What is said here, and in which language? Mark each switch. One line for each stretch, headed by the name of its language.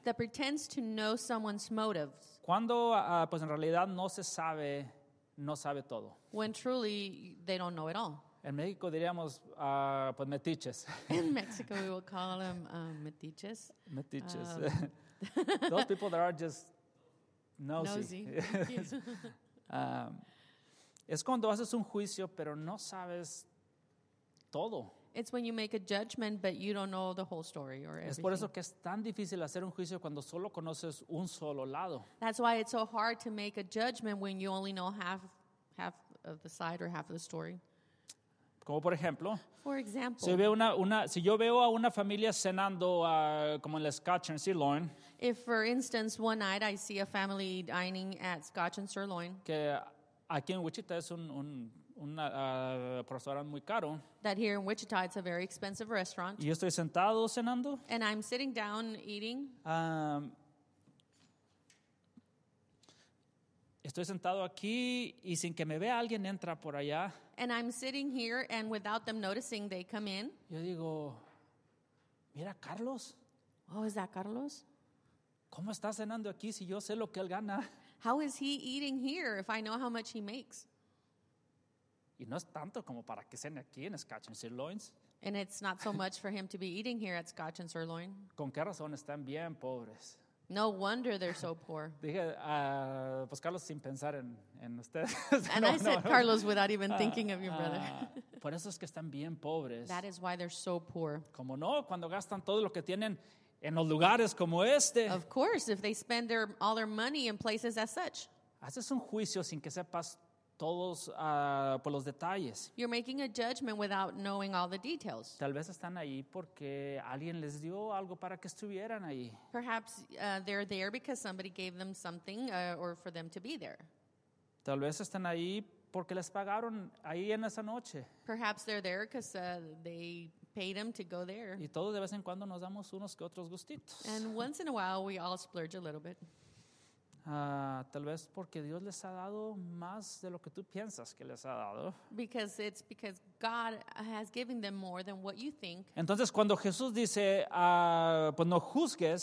English: that pretends to know someone's motives,
Spanish: cuando pues en realidad no sabe todo,
English: when truly they don't know it all.
Spanish: En México diríamos pues metiches.
English: In Mexico we will call them metiches.
Spanish: Metiches.
English: Those people that are just nosy. Nosy.
Spanish: Es cuando haces un juicio pero no sabes todo.
English: It's when you make a judgment but you don't know the whole story or everything.
Spanish: Es por eso que es tan difícil hacer un juicio cuando solo conoces un solo lado.
English: That's why it's so hard to make a judgment when you only know half of the side or half of the story.
Spanish: Como por ejemplo,
English: for example,
Spanish: si yo veo a una familia cenando como en la Scotch and Sirloin.
English: If for instance one night I see a family dining at Scotch and Sirloin.
Spanish: Que aquí en Wichita es un restaurante muy caro.
English: That here in Wichita it's a very expensive restaurant.
Spanish: Y yo estoy sentado cenando.
English: And I'm sitting down eating.
Spanish: Estoy sentado aquí y sin que me vea alguien entra por allá.
English: And I'm sitting here and without them noticing they come in.
Spanish: Yo digo, mira Carlos.
English: Oh, is that Carlos?
Spanish: ¿Cómo está cenando aquí si yo sé lo que él gana?
English: How is he eating here if I know how much he makes?
Spanish: Y no es tanto como para que cene aquí en Scotch and Sirloins.
English: And it's not so much for him to be eating here at Scotch and Sirloin.
Spanish: ¿Con qué razón están bien pobres?
English: No wonder they're so poor.
Spanish: Dije, pues Carlos, sin pensar en ustedes.
English: And no, I said no, Carlos without even thinking of your brother.
Spanish: Por eso es que están bien pobres.
English: That is why they're so poor.
Spanish: Como no, cuando gastan todo lo que tienen en los lugares como este.
English: Of course, if they spend all their money in places as such.
Spanish: Haces un juicio sin que sepas todos por los detalles.
English: You're making a judgment without knowing all the details.
Spanish: Tal vez están ahí porque alguien les dio algo para que estuvieran ahí.
English: Perhaps they're there because somebody gave them something or for them to be there.
Spanish: Tal vez están ahí porque les pagaron ahí en esa noche.
English: Perhaps they're there because they paid them to go there.
Spanish: Y todos de vez en cuando nos damos unos que otros gustitos.
English: And once in a while we all splurge a little bit.
Spanish: tal vez porque Dios les ha dado más de lo que tú piensas que les ha dado.
English: Because it's because God has given them more than what you think.
Spanish: Entonces cuando Jesús dice, pues no juzgues.